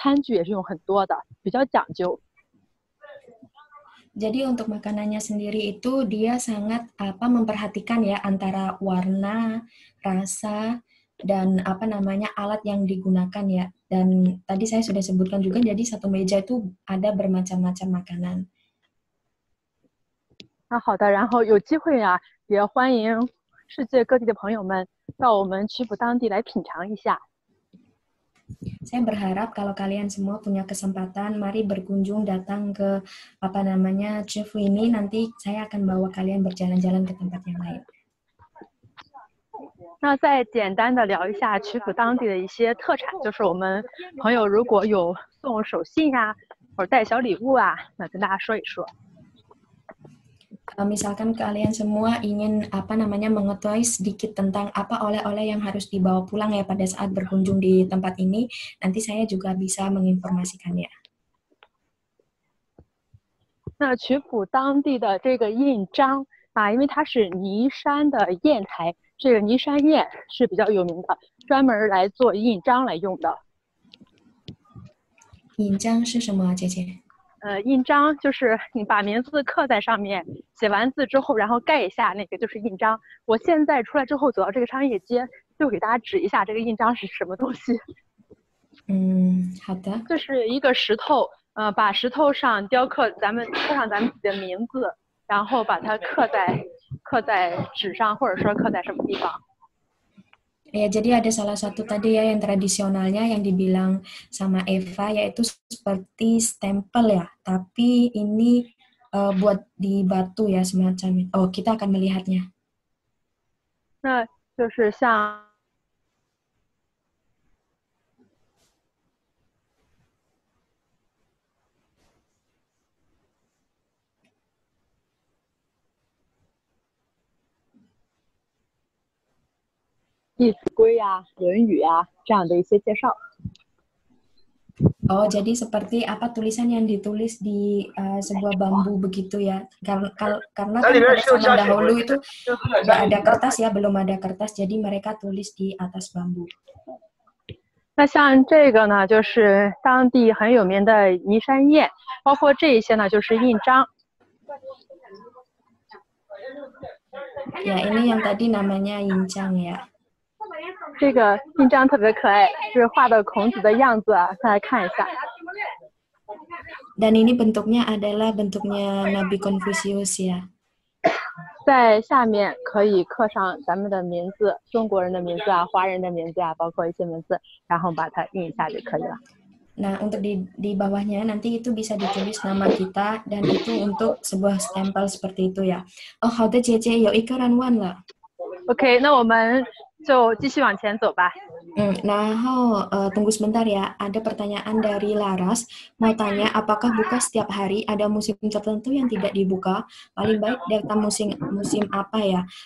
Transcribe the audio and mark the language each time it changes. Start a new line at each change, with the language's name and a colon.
Chinese: 那当时，孔府宴吃的时候呢，它也是其中一个分支，被称之为满汉全席。那我们在吃的时候，最多呢，它是用有400多道菜，甚至呢，餐具也是用很多的，比较讲究。
Indonesian: Jadi untuk makanannya sendiri itu dia sangat apa memperhatikan ya antara warna, rasa, dan apa namanya alat yang digunakan ya. Dan tadi saya sudah sebutkan juga, jadi satu meja itu ada bermacam-macam makanan.
Chinese: 那好的，然后有机会啊，也欢迎世界各地的朋友们到我们曲阜当地来品尝一下。
Indonesian: Saya berharap kalau kalian semua punya kesempatan, mari berkunjung datang ke apa namanya Cefu ini. Nanti saya akan bawa kalian berjalan-jalan ke tempat yang lain.
Chinese: 那再简单的聊一下曲阜当地的一些特产，就是我们朋友如果有送手信啊，或者带小礼物啊，那跟大家说一说。
Indonesian: Kalau misalkan kalian semua ingin apa namanya mengetahui sedikit tentang apa oleh-oleh yang harus dibawa pulang ya pada saat berkunjung di tempat ini, nanti saya juga bisa menginformasikannya.
Chinese: 那曲阜当地的这个印章啊，因为它是尼山的砚台，这个尼山砚是比较有名的，专门来做印章来用的。印章是什么，姐姐？印章就是你把名字刻在上面，写完字之后，然后盖一下，那个就是印章。我现在出来之后走到这个商业街，就给大家指一下这个印章是什么东西。嗯，好的。就是一个石头，把石头上雕刻咱们刻上咱们自己的名字，然后把它刻在纸上，或者说刻在什么地方。
Indonesian: Ya, jadi ada salah satu tadi ya yang tradisionalnya yang dibilang sama Eva yaitu seperti stempel ya, tapi ini buat di batu ya semacam. Oh, kita akan melihatnya.
Chinese: Nah, 就是像《弟子规》呀，《论语》呀，这样的一些介绍。
Indonesian: Oh, jadi seperti apa tulisan yang ditulis di sebuah bambu begitu ya? Karena kan pada zaman dahulu itu nggak ada kertas ya, belum ada kertas, jadi mereka tulis di atas bambu.
Chinese: 那像这个呢，就是当地很有名的尼山砚，包括这一些呢，就是印章。
Indonesian: Ya, ini yang tadi namanya yincang ya.
Chinese: 这个印章特别可爱，是画的孔子的样子啊，大家看一下。
Indonesian: Dan ini bentuknya adalah bentuknya Nabi Confucius ya。
Chinese: 在下面可以刻上咱们的名字，中国人的名字啊，华人的名字啊，包括一些名字，然后把它印一下就可以了。
Indonesian: Nah, untuk di bawahnya nanti itu bisa ditulis nama kita dan itu untuk sebuah stempel seperti itu ya。 Oh, how the JJ yo ikaran one lah。
Chinese: OK, 那我们就继续往前走吧。
Indonesian: Nah, tunggu sebentar ya. Ada pertanyaan dari Laras. Mau tanya, apakah buka setiap hari? Ada musim tertentu yang tidak dibuka? Paling baik datang musim apa ya?